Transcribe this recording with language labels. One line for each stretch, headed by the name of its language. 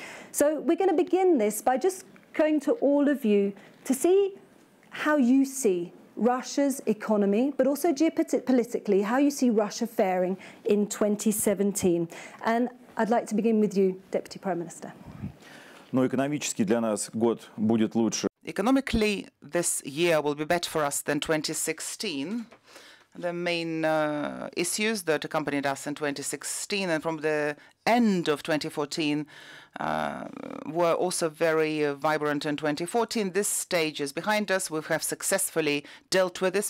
English: So we're going to begin this by just going to all of you to see how you see Russia's economy, but also geopolitically, how you see Russia faring in 2017. And I'd like to begin with you, Deputy Prime Minister.
Russian: Но экономически для нас год будет лучше.
English: Economically, this year will be better for us than 2016. The main issues that accompanied us in 2016 and from the end of 2014 were also very vibrant in 2014. This stage is behind us. We have successfully dealt with this.